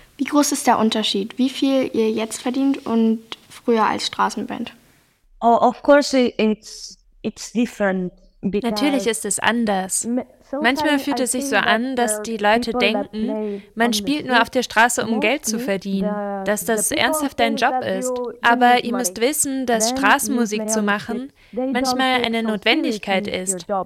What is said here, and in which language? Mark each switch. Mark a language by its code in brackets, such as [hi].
[de] Wie groß ist der Unterschied? Wie viel ihr jetzt verdient und früher als Straßenband? [en] Oh, of course it's different. [de] Natürlich ist es anders. Manchmal fühlt es sich so an, dass die Leute denken, man spielt nur auf der Straße, um Geld zu verdienen, dass das ernsthaft dein Job ist. Aber ihr müsst wissen, dass Straßenmusik zu machen manchmal eine Notwendigkeit ist.